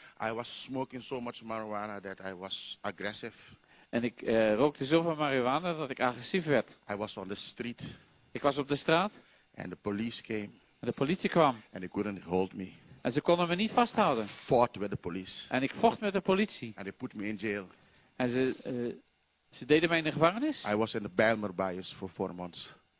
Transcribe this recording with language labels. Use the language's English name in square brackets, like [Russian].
[English] I was smoking so much marijuana that I was aggressive. [Dutch] En ik rookte zoveel marijuana dat ik agressief werd. [English] I was on the street. [Dutch] Ik was op de straat. [English] And the police came. [Dutch] En de politie kwam. [English] And they couldn't hold me. [Dutch] En ze konden me niet vasthouden. [English] I fought with the police. [Dutch] En ik vocht met de politie. [English] And they put me in jail. [Dutch] En ze deden mij in de gevangenis. [English] I was in the Bijlmer bias for 4 months.